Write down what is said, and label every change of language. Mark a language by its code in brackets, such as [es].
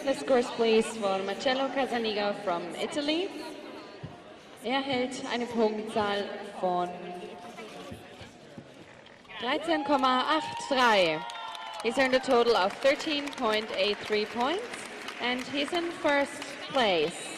[en] The scores, please, for Marcello Casaniga from Italy. [de] Hält eine Punktzahl von 13,83. [en] He's earned a total of 13.83 points, and he's in first place.